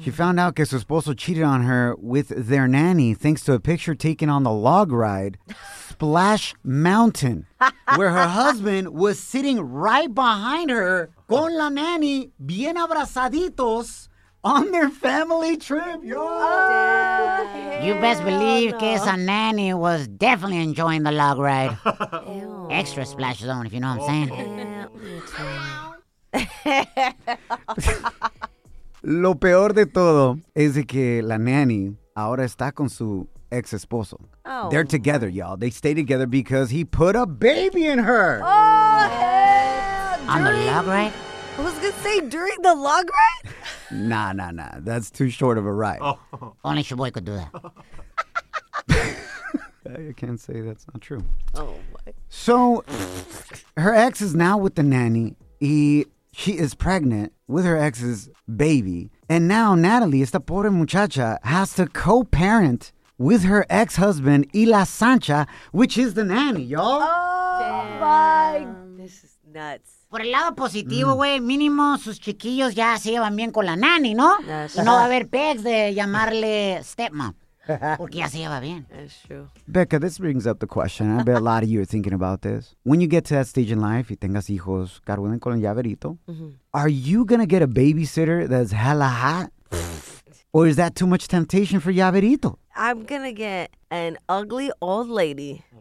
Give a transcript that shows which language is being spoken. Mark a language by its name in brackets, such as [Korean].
[English] She found out [Spanish] que su esposo [English] cheated on her with their nanny thanks to a picture taken on the log ride, Splash Mountain, where her husband was sitting right behind her [Spanish] con la nanny bien abrazaditos. [English] On their family trip, yo. Oh, you best believe Kesa nanny was definitely enjoying the log ride. Extra splash zone, if you know what I'm saying. [Spanish] Lo peor de todo es de que la nanny ahora está con su ex esposo. Oh. [English] They're together, y'all. They stay together because he put a baby in her. Oh, on the log ride? I was going to say, during the log ride? Nah. That's too short of a ride. Oh. Only Shaboy could do that. I can't say that's not true. Oh, my. So, her ex is now with the nanny. She is pregnant with her ex's baby. And now Natalie, [Spanish] esta pobre muchacha, [English] has to co-parent with her ex-husband, Ila Sancha, which is the nanny, y'all. Oh, damn. My. This is nuts. [Spanish] Por el lado positivo, güey, mínimo sus chiquillos ya se llevan bien con la nani, ¿no? [English] Yes, [Spanish] y no va a haber pegs de llamarle stepmom, porque ya se lleva bien. [English] That's true. Becca, this brings up the question. I bet a lot of you are thinking about this. When you get to that stage in life [Spanish] y tengas hijos, carguen con el llaverito, [English] are you going to get a babysitter that's hella hot? Or is that too much temptation for llaverito? I'm going to get an ugly old lady.